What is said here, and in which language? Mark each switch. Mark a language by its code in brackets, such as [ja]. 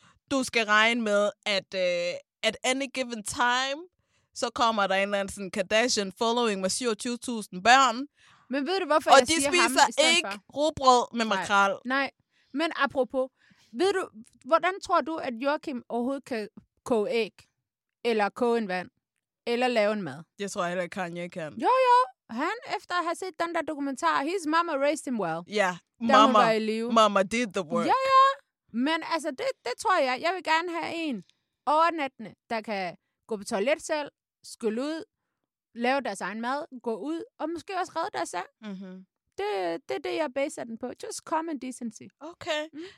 [da] Du skal regne med, at [en] at any given time, [da] så kommer der en eller anden sådan Kardashian following med 27.000 børn. Men ved du, hvorfor jeg siger ham i stedet for? Og de spiser ikke rugbrød med makrel. Nej, men apropos, ved du, hvordan tror du, at Joachim overhovedet kan koge æg? Eller koge en vand? Eller lave en mad. Jeg tror heller ikke, Kanye kan. Jo. Han, efter at have set den der dokumentar, [en] his mama raised him well. Ja, mama did the work. [da] Ja. Men altså, det tror jeg. Jeg vil gerne have en overnattende, der kan gå på toilet selv, skylle ud, lave deres egen mad, gå ud, og måske også redde deres af. Mm-hmm. Det er det, jeg baser den på. [en] Just common decency. Okay. Mm.